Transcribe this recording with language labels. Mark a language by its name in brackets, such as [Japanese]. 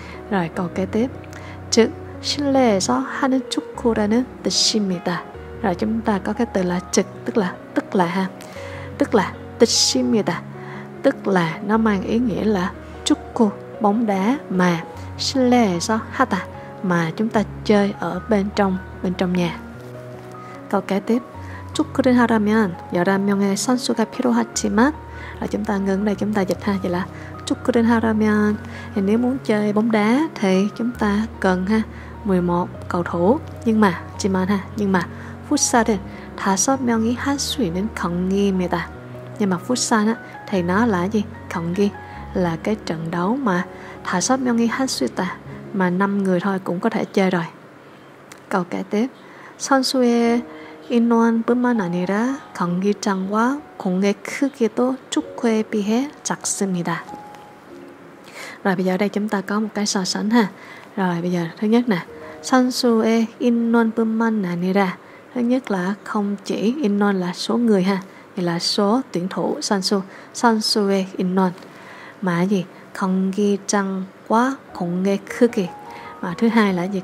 [Vietnamese] Rồi câu kế tiếp, chữ [Korean] Shinle에서 하는 축구라는 뜻입니다. [Vietnamese] Rồi chúng ta có cái từ là chữ tức là ha, tức là 뜻입니다, tức là nó mang ý nghĩa là 축구, bóng đá mà [Korean] Shinle에서 하다, [Vietnamese] mà chúng ta chơi ở bên trong nhà. Câu kế tiếp, [Korean] 축구를 하려면 여러 명의 선수가 필요하지만. [Vietnamese] Rồi chúng ta ngừng đây, chúng ta dịch ha, vậy là [Korean] 축구를 하려면, [Vietnamese] thì nếu muốn chơi bóng đá thì chúng ta cần ha 11 cầu thủ, nhưng mà 하지만 ha, nhưng mà [Korean] 풋살은 다섯 명이 할 수 있는 경기입니다. [Vietnamese] Nhưng mà 풋살 á thì nó là gì? 경기 là cái trận đấu mà [Korean] 다섯 명이 할 수 있다, [Vietnamese] mà 5 người thôi cũng có thể chơi rồi. Câu kế tiếp, [Korean] 선수의 인원뿐만 아니라 경기장과 공의 크기도 축구에 비해 작습니다. [Vietnamese] Rồi bây giờ đây chúng ta có một cái so sánh ha. Rồi bây giờ thứ nhất nè, [Korean] 선수의 인원뿐만 아니라, [Vietnamese] thứ nhất là không chỉ 인원 là số người ha, thì là số tuyển thủ 선수, [Korean] 선수의 인원 [Vietnamese] mà gì? [Korean] 경기장과 공의 크기. [Vietnamese] Mà thứ hai là gì?